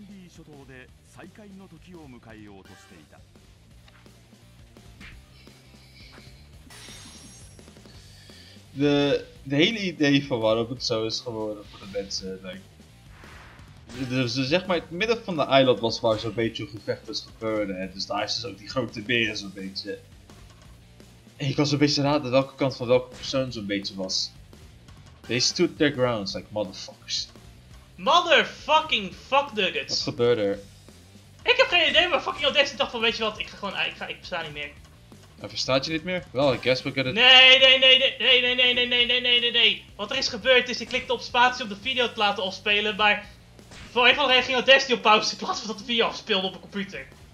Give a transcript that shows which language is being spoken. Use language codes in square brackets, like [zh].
[ja] 頂上戦争の後、頂上戦争の後、ルフィは最終決を仲間に伝えた。ルフィはレイリーのもとで覇気の修行に励み、その間他の仲間たちもまたそれぞれに大きな成長を遂げ、そして2年を経た今、麦わらの一味は約束の地シャボンディ諸島で再会の時を迎えようとしていた。 [nl] De hele idee van waarom het zo is geworden voor de mensen, denk ik. Dus zeg maar, het midden van de eiland was waar zo'n beetje een gevecht was gebeurd. Hè? Dus daar is dus ook die grote beer zo'n beetje. En je kan zo'n beetje raden welke kant van welke persoon zo'n beetje was. [en] They stood their grounds like motherfuckers. Motherfucking fuck nuggets. [nl] Wat gebeurde er? Ik heb geen idee, maar fucking op deze dag van weet je wat, ik ga gewoon, ik besta niet meer. En verstaat je niet meer? Wel, [en] I guess [nl] we kunnen. Nee. Wat er is gebeurd is, ik klikte op spatie om de video te laten afspelen, maar voor een van de ging Destiny op pauze in plaats van dat de video afspeelde op een computer.